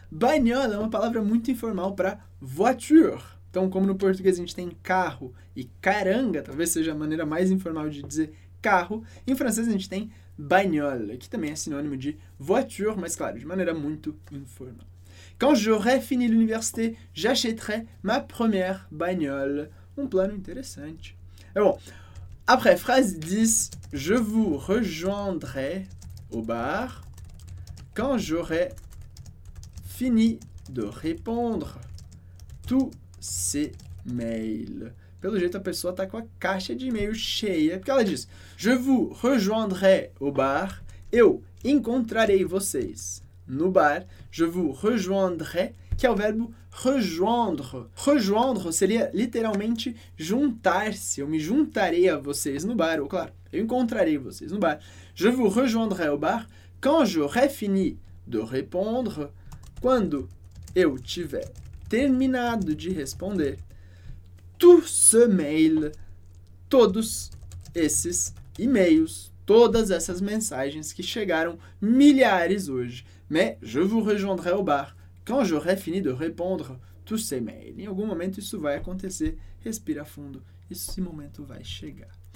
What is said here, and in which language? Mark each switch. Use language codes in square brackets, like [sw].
[pt] Bagnole é uma palavra muito informal para voiture. Então, como no português a gente tem carro e caranga, talvez seja a maneira mais informal de dizer carro, em francês a gente tem bagnole, que também é sinônimo de voiture, mas claro, de maneira muito informal. [fr] Quand j'aurai fini l'université, j'achèterai ma première bagnole. [pt] Um plano interessante. É bom. [fr] Après, phrase 10. Je vous rejoindrai au bar quand j'aurai fini de répondre tous ces mails. [pt] Pelo jeito, a pessoa tá com a caixa de e-mail cheia, porque ela diz: [fr] je vous rejoindrai au bar. [pt] Eu encontrarei vocês no bar. [fr] Je vous rejoindrai, [pt] que é o verbo rejoindre. Rejoindre seria literalmente juntar-se. Eu me juntarei a vocês no bar, ou claro, eu encontrarei vocês no bar. [fr] Je vous rejoindrai au bar quand j'aurai fini de répondre. [pt] Quando eu tiver terminado de responder [fr] tous ce mail, [pt] todos esses e-mails, todas essas mensagens que chegaram milhares hoje. [fr] Mais je vous rejoindrai au bar quand j'aurai fini de répondre tous ces mails. [pt] Em algum momento isso vai acontecer. Respira fundo. Esse momento vai chegar.